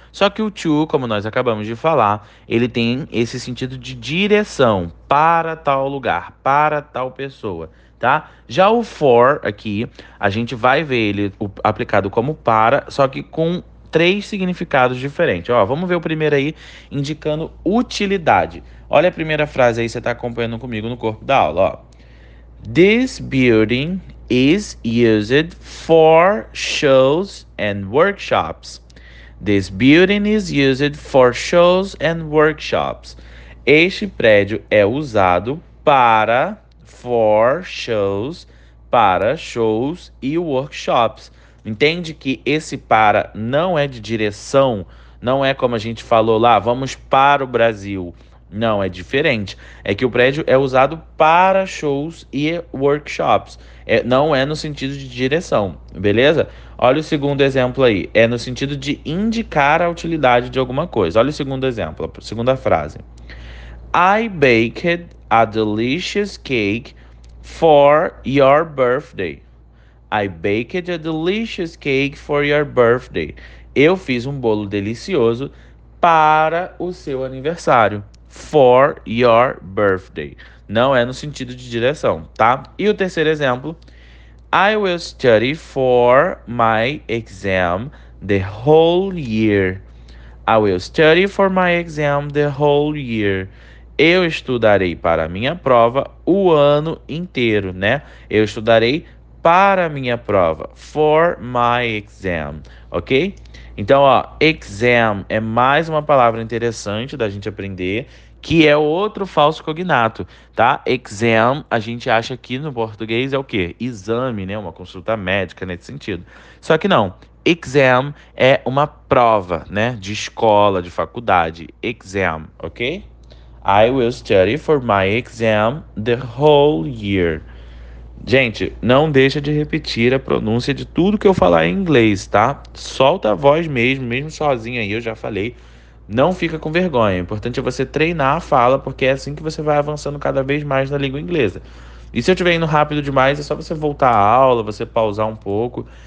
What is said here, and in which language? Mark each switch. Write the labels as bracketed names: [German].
[Portuguese] Só que o to, como nós acabamos de falar, ele tem esse sentido de direção para tal lugar, para tal pessoa. Tá? Já o for aqui, a gente vai ver ele aplicado como para, só que com três significados diferentes. Ó, vamos ver o primeiro aí, indicando utilidade. Olha a primeira frase aí, você está acompanhando comigo no corpo da aula. Ó. [English] This building is used for shows and workshops. This building is used for shows and workshops. [Portuguese] Este prédio é usado para. [English] For shows, [Portuguese] para shows e workshops. Entende que esse para não é de direção, não é como a gente falou lá, vamos para o Brasil. Não, é diferente. É que o prédio é usado para shows e workshops. É, não é no sentido de direção, beleza? Olha o segundo exemplo aí. É no sentido de indicar a utilidade de alguma coisa. Olha o segundo exemplo, a segunda frase. [English] I baked a delicious cake. For your birthday. I baked a delicious cake for your birthday. [Portuguese] Eu fiz um bolo delicioso para o seu aniversário. [English] For your birthday. [Portuguese] Não é no sentido de direção, tá? E o terceiro exemplo. [English] I will study for my exam the whole year. I will study for my exam the whole year. [Portuguese] Eu estudarei para minha prova o ano inteiro, né? Eu estudarei para minha prova, [English] for my exam, [Portuguese] ok? Então, ó, exam é mais uma palavra interessante da gente aprender, que é outro falso cognato, tá? Exam, a gente acha aqui no português é o quê? Exame, né? Uma consulta médica nesse sentido. Só que não. Exam é uma prova, né? De escola, de faculdade. [English] Exam, ok? I will study for my exam the whole year. [Portuguese] Gente, não deixa de repetir a pronúncia de tudo que eu falar em inglês, tá? Solta a voz mesmo, mesmo sozinho aí, eu já falei. Não fica com vergonha. O importante é você treinar a fala, porque é assim que você vai avançando cada vez mais na língua inglesa. E se eu estiver indo rápido demais, é só você voltar à aula, você pausar um pouco.